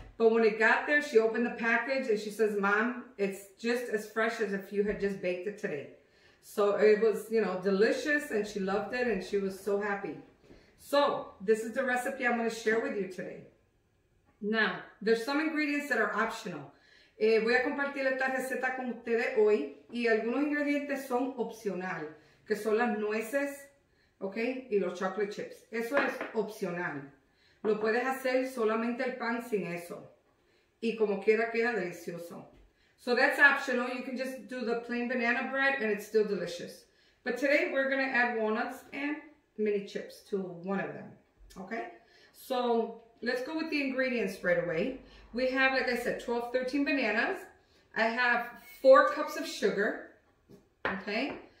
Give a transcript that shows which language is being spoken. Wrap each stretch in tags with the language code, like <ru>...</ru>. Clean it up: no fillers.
<en>But when it got there, she opened the package and she says, "Mom, it's just as fresh as if you had just baked it today." So, it was, you know, delicious and she loved it and she was so happy. So, this is the recipe I'm going to share with you today. Now, there's some ingredients that are optional.</en> <es>Voy a compartir esta receta con ustedes hoy y algunos ingredientes son opcional, que son las nueces, ¿ok? Y los chocolate chips. Eso es opcional. Lo puedes hacer solamente el pan sin eso. Y como quiera queda delicioso.</es> <en>So that's optional. You can just do the plain banana bread and it's still delicious. But today we're going to add walnuts and mini chips to one of them, ¿ok? So, let's go with the ingredients right away. We have, like I said, 12, 13 bananas. I have 4 cups of sugar. Okay.</en>